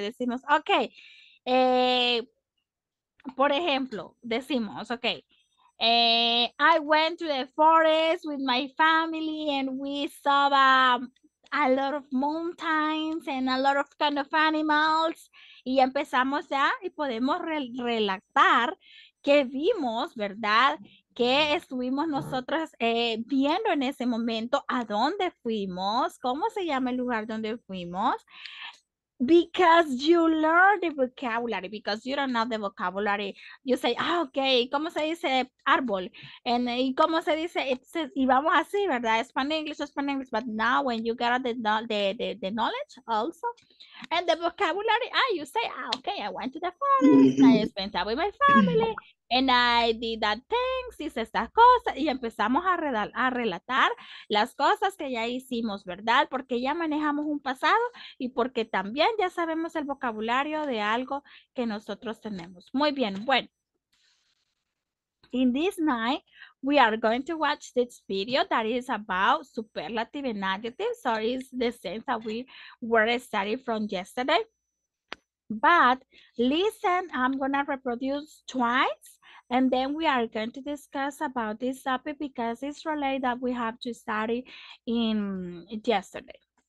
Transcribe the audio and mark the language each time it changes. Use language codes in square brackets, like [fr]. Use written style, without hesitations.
[es] Decimos, okay, por ejemplo, decimos, [en] okay, I went to the forest with my family and we saw a lot of mountains and a lot of kind of animals. [es] Y empezamos ya y podemos relatar qué vimos, ¿verdad? ¿Qué estuvimos nosotros viendo en ese momento? ¿A dónde fuimos? ¿Cómo se llama el lugar donde fuimos? [en] Because you learn the vocabulary, because you don't know the vocabulary. You say, [es] ah, ok, ¿cómo se dice árbol? ¿Y cómo se dice? Y vamos así, ¿verdad? [en] Spanish, but now when you get the knowledge also, and the vocabulary, you say, ah, ok, I went to the forest, I spent time with my family. And I did that thing, [es] hice estas cosas, y empezamos a relatar las cosas que ya hicimos, ¿verdad? Porque ya manejamos un pasado y porque también ya sabemos el vocabulario de algo que nosotros tenemos. Muy bien, bueno. [en] In this night, we are going to watch this video that is about superlative and adjectives. So it's the same that we were studying from yesterday. But listen, I'm gonna reproduce twice and then we are going to discuss about this topic because it's related that we have to study in yesterday.